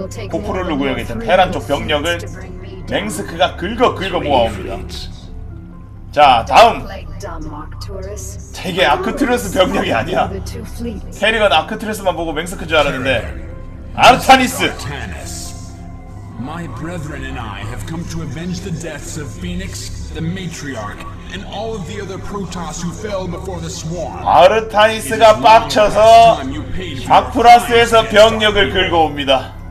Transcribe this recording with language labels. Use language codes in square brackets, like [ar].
[ko] 코프룰루 구역에 있던 테란 쪽 병력을 맹스크가 긁어 모아옵니다. 자, 다음. 자, 이게 아크트루스 병력이 아니야. 캐리건 아크트루스만 보고 맹스크 줄 알았는데 아르타니스. [en] My brethren and I have come to avenge the deaths of Phoenix, the Matriarch, and all of the other Protoss who fell before the Swarm. [ko] 아르타니스가 빡쳐서 아쿠라스에서 병력을 긁어옵니다.